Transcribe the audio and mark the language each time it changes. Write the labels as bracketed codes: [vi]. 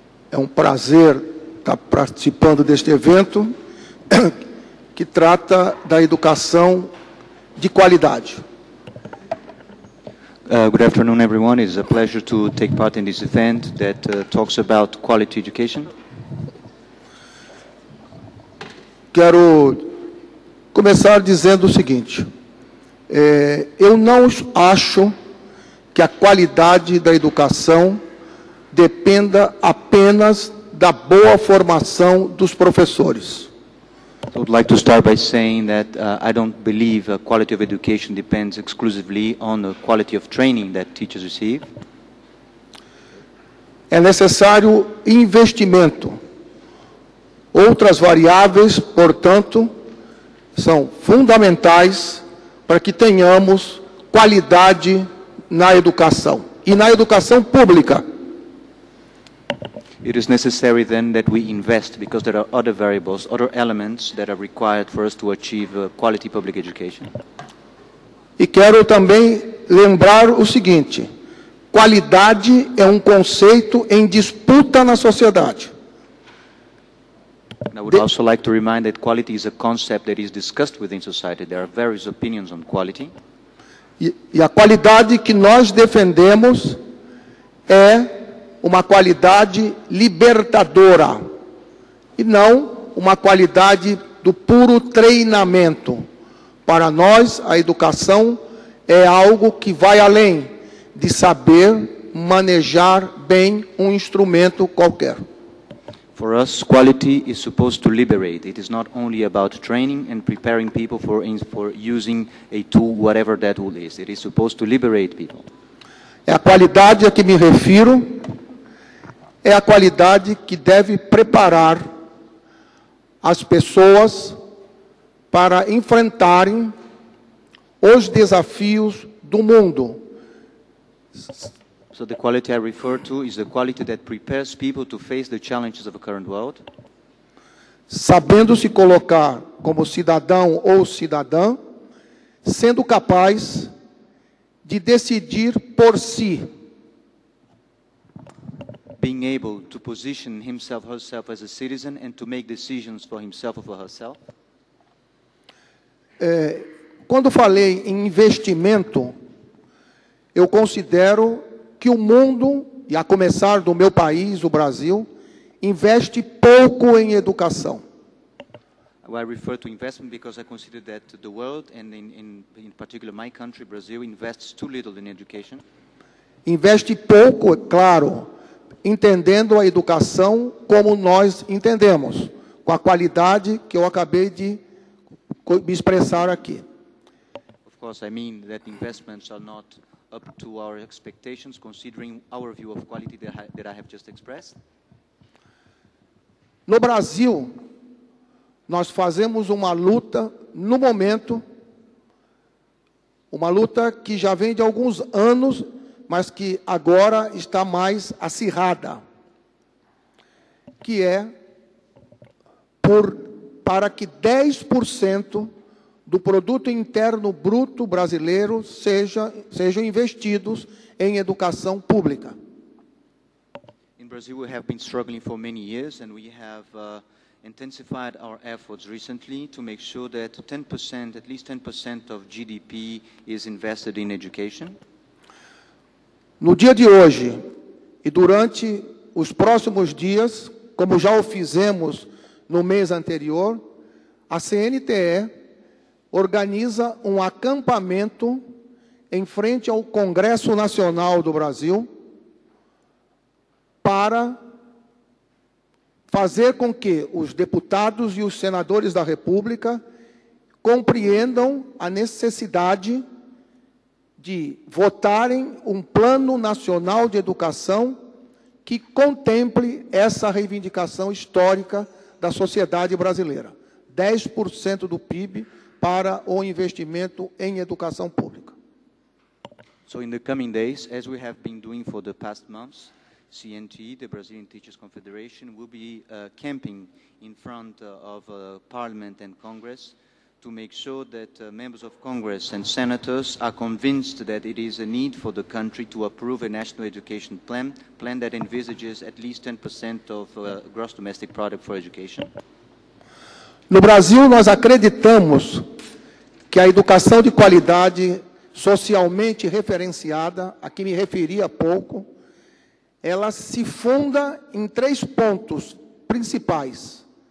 [pt] É um prazer estar participando deste evento que trata da educação de qualidade. [en] Good afternoon, everyone. It's a pleasure to take part in this event that talks about quality education. [pt] Quero começar dizendo o seguinte. Eu não acho que a qualidade da educação dependa apenas da boa formação dos professores. [en] I would like to start by saying that I don't believe a quality of education depends exclusively on the quality of training that teachers receive. [pt] É necessário investimento. Outras variáveis, portanto, são fundamentais para que tenhamos qualidade na educação e na educação pública. [en] It is necessary then that we invest because there are other variables, other elements that are required for us to achieve a quality public education. [pt] E quero também lembrar o seguinte: qualidade é um conceito em disputa na sociedade. [en] And I would also like to remind that quality is a concept that is discussed within society. There are various opinions on quality. [pt] E a qualidade que nós defendemos é uma qualidade libertadora e não uma qualidade do puro treinamento. Para nós, a educação é algo que vai além de saber manejar bem um instrumento qualquer. [en] For us, quality is supposed to liberate. It is not only about training and preparing people for using a tool, whatever that tool is. It is supposed to liberate people. [pt] É a qualidade a que me refiro. É a qualidade que deve preparar as pessoas para enfrentarem os desafios do mundo. [en] So the quality I refer to is the quality that prepares people to face the challenges of the current world. [pt] Sabendo se colocar como cidadão ou cidadã, sendo capaz de decidir por si. [en] Being able to position himself or herself as a citizen and to make decisions for himself or for herself. [pt] Quando falei em investimento, eu considero que o mundo, e a começar do meu país, o Brasil, investe pouco em educação. [en] I refer to investment because I consider that the world, and in particular my country, Brazil, invests too little in education. [pt] Investe pouco, claro, entendendo a educação como nós entendemos, com a qualidade que eu acabei de me expressar aqui. [en] Of course, I mean that investments are not up to our expectations, considering our view of quality that I have just expressed. [pt] No Brasil, nós fazemos uma luta, no momento, uma luta que já vem de alguns anos, mas que agora está mais acirrada, que é para que 10% do produto interno bruto brasileiro sejam investidos em educação pública. [en] In Brazil, we have been struggling for many years, and we have intensified our efforts recently to make sure that 10%, at least 10% of GDP is invested in education. [pt] No dia de hoje e durante os próximos dias, como já o fizemos no mês anterior, a CNTE organiza um acampamento em frente ao Congresso Nacional do Brasil para fazer com que os deputados e os senadores da República compreendam a necessidade de votarem um Plano Nacional de Educação que contemple essa reivindicação histórica da sociedade brasileira. 10% do PIB para o investimento em educação pública. [en] So in the coming days, as we have been doing for the past months, CNTE, the Brazilian Teachers Confederation, will be camping in front of Parliament and Congress to make sure that members of Congress and senators are convinced that it is a need for the country to approve a national education plan that envisages at least 10% of gross domestic product for education. [pt] No Brasil, nós acreditamos que a educação de qualidade socialmente referenciada, a que me referi há pouco, ela se funda em três pontos principais: